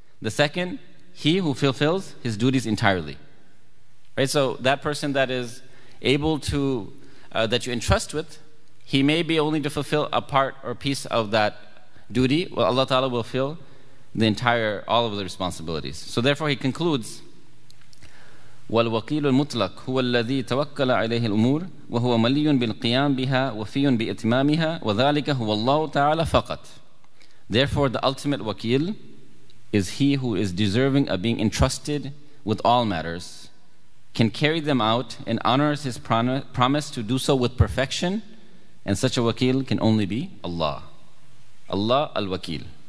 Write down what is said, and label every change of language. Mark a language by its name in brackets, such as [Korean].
[English] The second, he who fulfills his duties entirely. Right? So that person that is able to, that you entrust with, he may be only to fulfill a part or piece of that duty. Well, Allah Ta'ala will fulfill the entire, all of the responsibilities. So therefore he concludes, [Arabic] وَالْوَقِيلُ الْمُطْلَقُ هُوَ الَّذِي تَوَكَّلَ عَلَيْهِ الْأُمُورِ وَهُوَ مَلِيٌّ بِالْقِيَامِ بِهَا وَفِيٌّ بِإِتْمَامِهَا وَذَلِكَ هُوَ اللَّهُ تَعَالَى فَقَطْ. [English] Therefore, the ultimate wakil is he who is deserving of being entrusted with all matters, can carry them out, and honors his promise to do so with perfection, and such a wakil can only be Allah. Allah al-wakil.